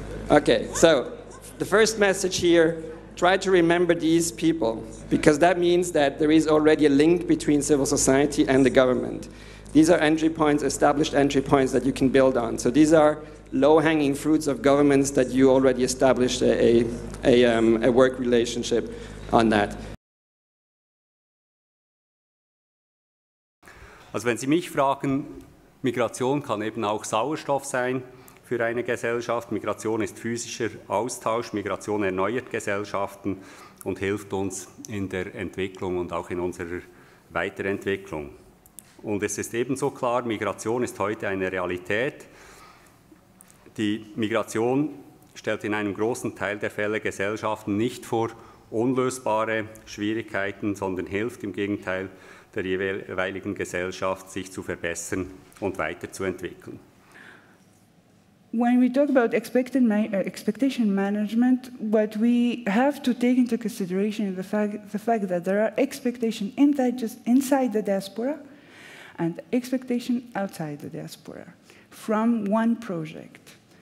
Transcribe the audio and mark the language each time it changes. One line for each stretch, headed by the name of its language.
English: Okay, so the first message here, try to remember these people, because that means that there is already a link between civil society and the government. These are entry points, established entry points that you can build on. So these are low-hanging fruits of governments that you already established a work relationship on that.
German: Also wenn Sie mich fragen, Migration kann eben auch Sauerstoff sein. Für eine Gesellschaft. Migration ist physischer Austausch, Migration erneuert Gesellschaften und hilft uns in der Entwicklung und auch in unserer Weiterentwicklung. Und es ist ebenso klar, Migration ist heute eine Realität. Die Migration stellt in einem großen Teil der Fälle Gesellschaften nicht vor unlösbare Schwierigkeiten, sondern hilft im Gegenteil der jeweiligen Gesellschaft, sich zu verbessern und weiterzuentwickeln.
English: When we talk about expectation management, what we have to take into consideration is the fact that there are expectations inside the diaspora and expectations outside the diaspora from one project.